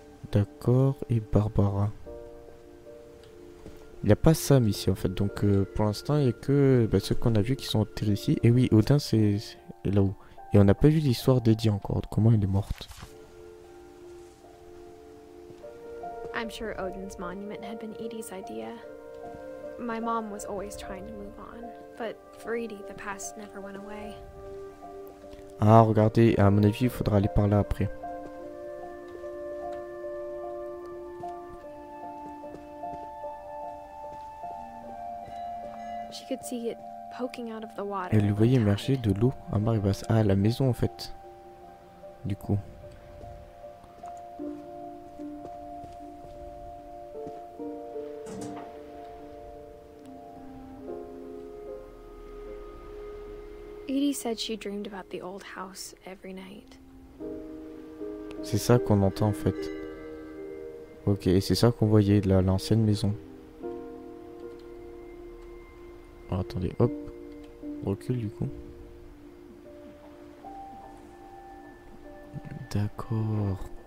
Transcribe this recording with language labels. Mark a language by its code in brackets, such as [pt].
[fr] D'accord, et Barbara. Il n'y a pas Sam ici en fait, donc pour l'instant, il n'y a que bah, ceux qu'on a vus qui sont enterrés ici. Et oui, Odin, c'est là-haut. Et on n'a pas vu l'histoire d'Eddie encore, comment elle est morte. [en] I'm sure Odin's monument had been Edie's idea. My mom was always trying to move on, but for Edie, the past never went away. [fr] Ah, regardez, à mon avis, il faudra aller par là après. [en] She could see it poking out of the water. [fr] Elle le voyait émerger de l'eau à marée basse. Ah, la maison en fait. Du coup. [en] Edie said she dreamed about the old house every night. [fr] C'est ça qu'on entend en fait. Ok, et c'est ça qu'on voyait, là, l'ancienne maison. Oh, attendez, hop. Recule du coup. D'accord.